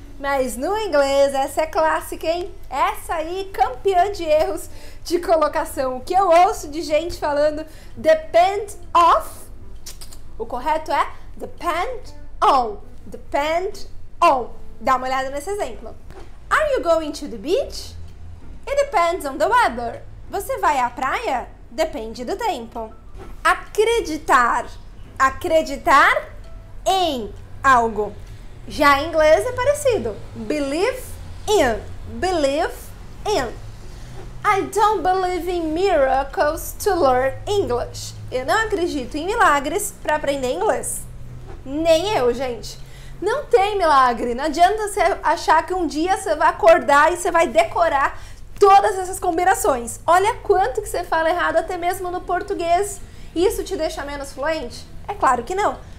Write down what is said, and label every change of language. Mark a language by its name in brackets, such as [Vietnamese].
[Portuguese] Mas no inglês, essa é clássica, hein? Essa aí, campeã de erros de colocação. O que eu ouço de gente falando depend of. O correto é depend on. Depend on. Dá uma olhada nesse exemplo. [English] Are you going to the beach? It depends on the weather. [Portuguese] Você vai à praia? Depende do tempo. Acreditar. Acreditar em algo. Já em inglês é parecido. [English] Believe in. Believe in. I don't believe in miracles to learn English. [Portuguese] Eu não acredito em milagres para aprender inglês. Nem eu, gente. Não tem milagre. Não adianta você achar que um dia você vai acordar e você vai decorar todas essas combinações. Olha quanto que você fala errado até mesmo no português. Isso te deixa menos fluente? É claro que não.